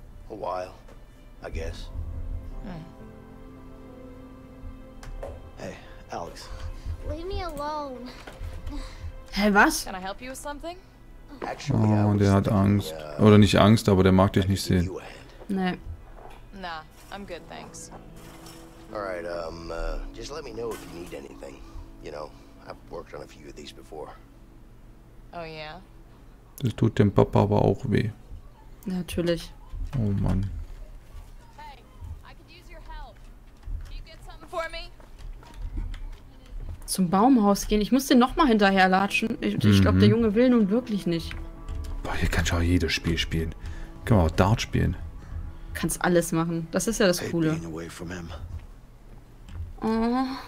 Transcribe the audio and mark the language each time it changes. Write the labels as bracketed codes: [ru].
[en] A while, I guess. Hey, Alex. Leave me alone. [de] Hey, was? [en] Can I help you with something? [de] Oh, der hat Angst. Oder nicht Angst, aber der mag dich nicht sehen. Nee. [en] Nah, I'm good, thanks. Alright, just let me know if you need anything. You know, I've worked on a few of these before. Oh yeah? [de] Das tut dem Papa aber auch weh. Natürlich. Oh Mann. [en] Hey, I could use your help. Can you get something for me? [de] zum Baumhaus gehen. Ich muss den nochmal hinterherlatschen. Ich glaube, der Junge will nun wirklich nicht. Boah, hier kann ich auch jedes Spiel spielen. Kann man auch Dart spielen. Kannst alles machen. Das ist ja das Coole. Oh.